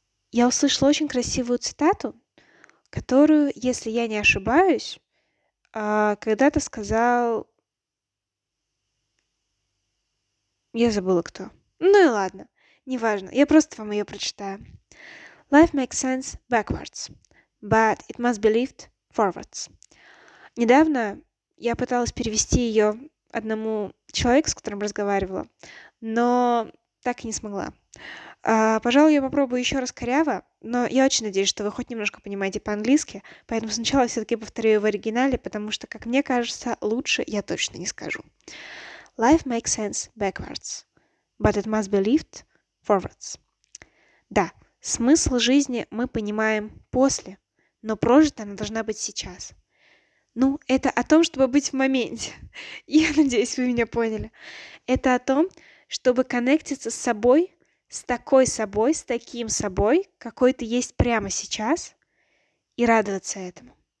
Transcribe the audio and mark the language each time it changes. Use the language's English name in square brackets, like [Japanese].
[Russian] Я услышала очень красивую цитату, которую, если я не ошибаюсь, когда-то сказал... Я забыла, кто. Ну и ладно, неважно. Я просто вам ее прочитаю. [English] Life makes sense backwards, but it must be lived forwards. [Russian] Недавно я пыталась перевести ее одному человеку, с которым разговаривала, но так и не смогла. Пожалуй, я попробую еще раз коряво, но я очень надеюсь, что вы хоть немножко понимаете по-английски, поэтому сначала все-таки повторю ее в оригинале, потому что, как мне кажется, лучше я точно не скажу. [English] Life makes sense backwards, but it must be lived forwards. [Russian] Да, смысл жизни мы понимаем после, но прожита она должна быть сейчас. Ну, это о том, чтобы быть в моменте. Я надеюсь, вы меня поняли. Это о том, чтобы коннектиться с собой, с такой собой, с таким собой, какой ты есть прямо сейчас, и радоваться этому.